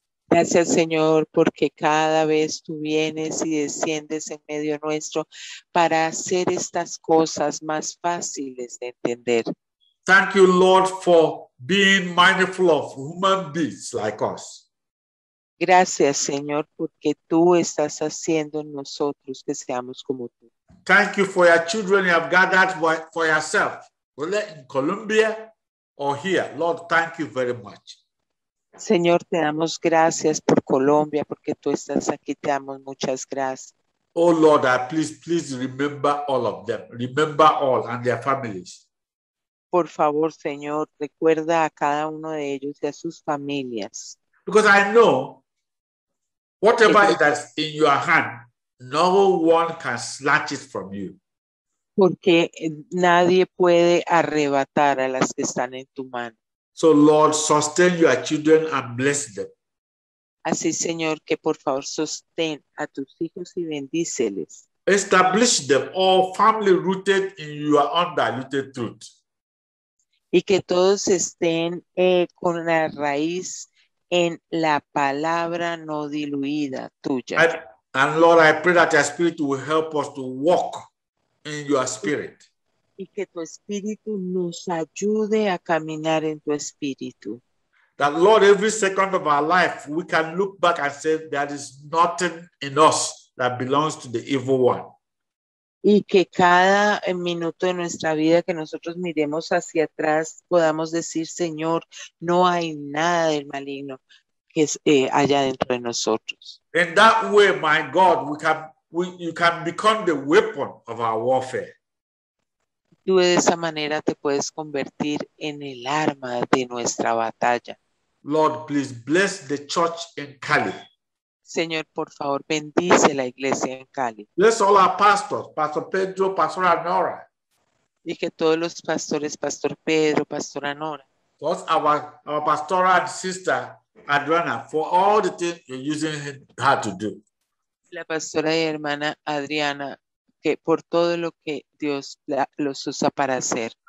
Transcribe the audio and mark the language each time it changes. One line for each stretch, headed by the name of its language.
Spanish: Gracias, Señor, porque cada vez tú vienes y desciendes en medio nuestro para hacer estas cosas más fáciles de entender.
English: Thank you, Lord, for being mindful of human beings like us.
Spanish: Gracias, Señor, porque tú estás haciendo nosotros que seamos como tú.
English: Thank you for your children you have gathered for yourself, whether in Colombia or here. Lord, thank you very much.
Spanish: Señor, te damos gracias por Colombia, porque tú estás aquí, te damos muchas gracias.
English: Oh, Lord, please remember all of them. Remember all and their families.
Spanish: Por favor, Señor, recuerda a cada uno de ellos y a sus familias.
English: Because I know whatever it is in your hand, no one can snatch it from you.
Spanish: Porque nadie puede arrebatar a las que están en tu mano.
English: So, Lord, sustain your children and bless them.
Spanish: Así, Señor, que por favor sostén a tus hijos y bendíceles.
English: Establish them all firmly rooted in your undiluted truth.
Spanish: Y que todos estén con la raíz en la palabra no diluida tuya.
English: And Lord, I pray that your spirit will help us to walk in your spirit.
Spanish: Y que tu espíritu nos ayude a caminar en tu espíritu.
English: That Lord, every second of our life, we can look back and say there is nothing in us that belongs to the evil one.
Spanish: Y que cada minuto de nuestra vida que nosotros miremos hacia atrás, podamos decir, Señor, no hay nada del maligno que es allá dentro de nosotros.
English: In that way, my God, you can become the weapon of our warfare.
Spanish: Tú de esa manera te puedes convertir en el arma de nuestra batalla.
English: Lord, please bless the church in Cali.
Spanish: Señor, por favor, bendice la iglesia en Cali.
English: Bless all our pastors, Pastor Pedro, Pastor Nora.
Spanish: Y que todos los pastores, Pastor Pedro, Pastor Nora.
English: Bless our pastoral sister, Adriana, for all the things you're using her to do.
Spanish: La pastora y hermana Adriana, que por todo lo que Dios los usa para hacer.